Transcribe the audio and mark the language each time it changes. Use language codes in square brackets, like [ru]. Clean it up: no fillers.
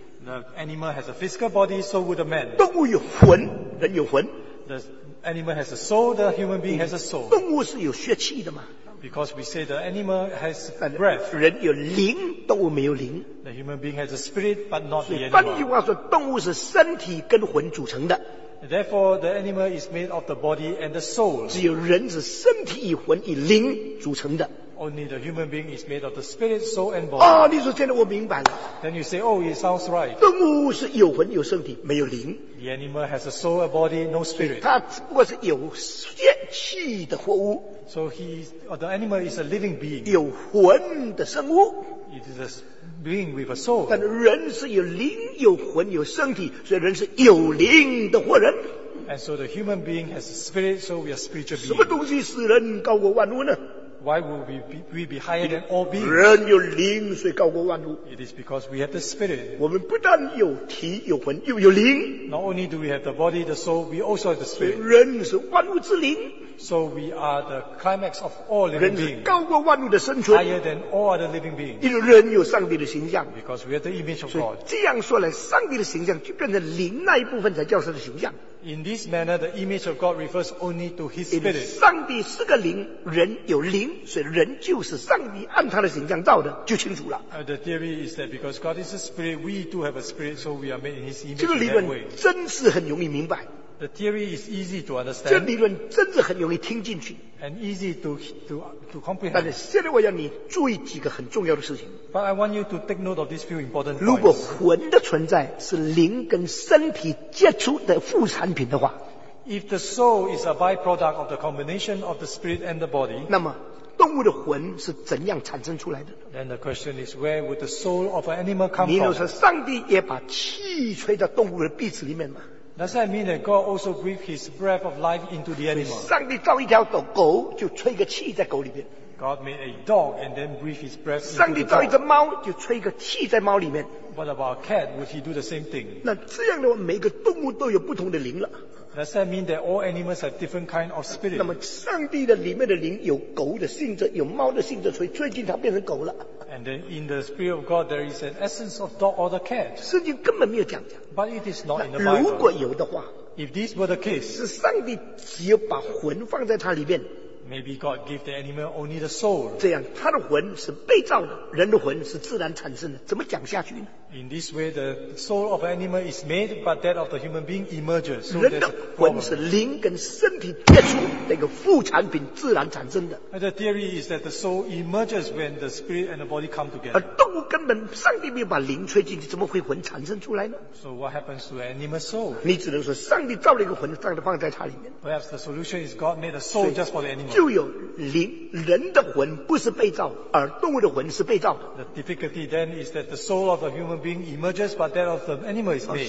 [en] The animal has a physical body, so would a man. [zh] 动物有魂，人有魂。 [en] The animal has a soul, the human being has a soul. [zh] 动物是有血气的嘛 [en] ？Because we say the animal has breath. [zh] 人有灵，动物没有灵。 [en] The human being has a spirit, but not the animal. [zh] 换句话说，动物是身体跟魂组成的。 [en] Therefore, the animal is made of the body and the soul. [zh] 只有人是身体以魂以灵组成的。 [en] Only the human being is made of the spirit, soul, and body. [zh] 啊，你说现在我明白了。 [en] Then you say, oh, it sounds right. [zh] 动物是有魂有身体，没有灵。 [en] The animal has a soul, a body, no spirit. [zh] 它只不过是有血气的活物。 [en] So the animal is a living being. [zh] 有魂的生物。 [en] It is a being with a soul. [zh] 但人是有灵、有魂、有身体，所以人是有灵的活人。 [en] And so the human being has a spirit, so we are spiritual beings. [zh] 什么东西使人高过万物呢 [en] ？Why would we be higher than all beings? [zh] 人有灵，所以高过万物。 [en] It is because we have the spirit. [zh] 我们不但有体、有魂、又有灵。 [en] Not only do we have the body, the soul, we also have the spirit. [zh] 人是万物之灵。 [en] So we are the climax of all living beings. [zh] 人高过万物的生存 [en] ，higher than all other living beings. [zh] 因为人有上帝的形象 [en] ，because we are the image of God. [zh] 所以这样说来，上帝的形象就变成灵那一部分才叫他的形象。 [en] In this manner, the image of God refers only to His spirit. [zh] 上帝是个灵，人有灵，所以人就是上帝按他的形象造的，就清楚了。 [en] The theory is that because God is a spirit, we do have a spirit, so we are made in His image. [zh] 这个理论真是很容易明白。 [en] The theory is easy to understand. [zh] 这理论真的很容易听进去。 [en] And easy to comprehend. [zh] 但是现在我要你注意几个很重要的事情。 [en] But I want you to take note of these few important points. [zh] 如果魂的存在是灵跟身体接触的副产品的话， [en] If the soul is a byproduct of the combination of the spirit and the body, [zh] 那么动物的魂是怎样产生出来的？ [en] Then the question is, where would the soul of an animal come from? [zh] 你说上帝也把气吹到动物的鼻子里面吗？ [en] Does that mean that God also breathed His breath of life into the animal? [zh] 上帝造一条狗，狗就吹个气在狗里面。 [en] God made a dog and then breathed His breath into the dog. [zh] 上帝造一只猫，就吹个气在猫里面。 [en] What about a cat? Would He do the same thing? [zh] 那这样的话，每个动物都有不同的灵了。 [en] Does that mean that all animals have different kind of spirit? [zh] 那么上帝的里面的灵有狗的性质，有猫的性质，所以最近它变成狗了。 [en] And then in the spirit of God, there is an essence of dog or the cat. [zh] 圣经根本没有讲的。 [en] But it is not in the Bible. [zh] 如果有的话， [en] if this were the case, [zh] 是上帝只有把魂放在它里面。 [en] Maybe God gave the animal only the soul. [zh] 这样，它的魂是被造的，人的魂是自然产生的，怎么讲下去呢？ [en] In this way, the soul of an animal is made, but that of the human being emerges. So [zh] 人的魂是灵跟身体接触那个副产品自然产生的。 [en] The theory is that the soul emerges when the spirit and the body come together. [zh] 而动物根本上帝没有把灵吹进去，怎么会魂产生出来呢？ [en] So what happens to an animal soul? [zh] 你只能说上帝造了一个魂，让它放在它里面。 [en] Perhaps the solution is God made a soul just for the animal. [zh] 就有灵，人的魂不是被造，而动物的魂是被造的。 [en] The difficulty then is that the soul of a human being emerges, but that of the animal is made.